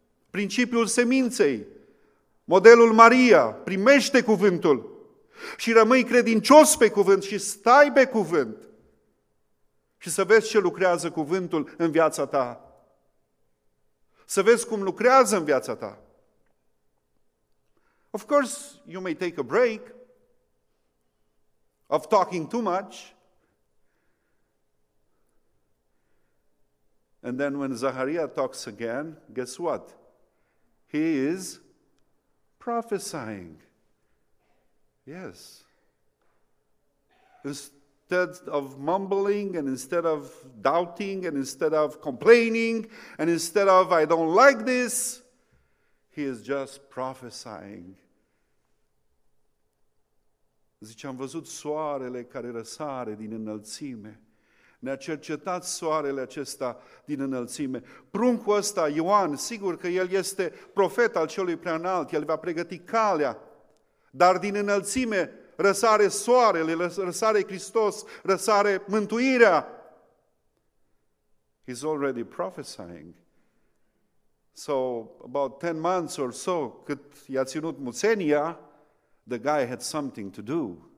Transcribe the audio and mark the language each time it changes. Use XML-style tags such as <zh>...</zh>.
<ro>Principiul seminței, modelul Maria, primește cuvântul și rămâi credincios pe cuvânt și stai pe cuvânt și să vezi ce lucrează cuvântul în viața ta. Să vezi cum lucrează în viața ta.</ro> <en>Of course, you may take a break of talking too much. And then when Zachariah talks again, guess what? He is prophesying. Yes. Instead of mumbling and instead of doubting and instead of complaining and instead of I don't like this, he is just prophesying.</en> <ro>Zice, am văzut soarele care răsare din înălțime. Ne-a cercetat soarele acesta din înălțime. Pruncul ăsta, Ioan, sigur că el este profet al celui preanalt, el va pregăti calea, dar din înălțime răsare soarele, răsare Hristos, răsare mântuirea.</ro> <en>He's already prophesying. So, about 10 months or so,</en> <ro>cât i-a ținut muțenia,</ro> <en>the guy had something to do.</en>